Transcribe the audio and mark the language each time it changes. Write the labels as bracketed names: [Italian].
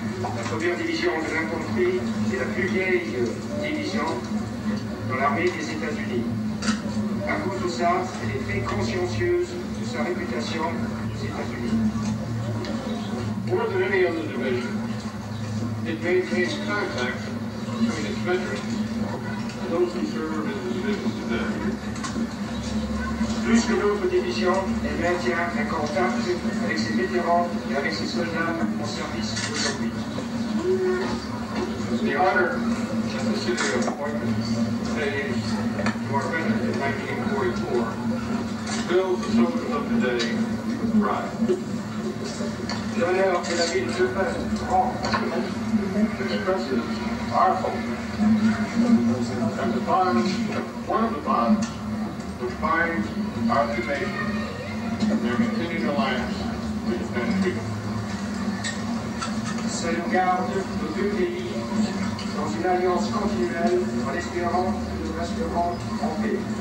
[French] La première division de l'infanterie est la plus vieille division dans l'armée des États-Unis. À cause de ça, elle est très consciencieuse de sa réputation aux États-Unis. [English] More than any other division, it maintains contact between its veterans and those who serve in the division today. [French] Plus que d'autres divisions, elle maintient un contact avec ses vétérans et avec ses soldats en service aujourd'hui. [English] The honor of the city of appointment pays to our veterans in 1944 fills the soldiers of today with pride. [French] L'honneur de la ville de France [English] expresses our hope and the bonds, one of the bonds, which binds our two nations and their continued alliance with the French people. [French] Ça nous garde nos deux pays dans une alliance continuelle en espérant que nous resterons en paix.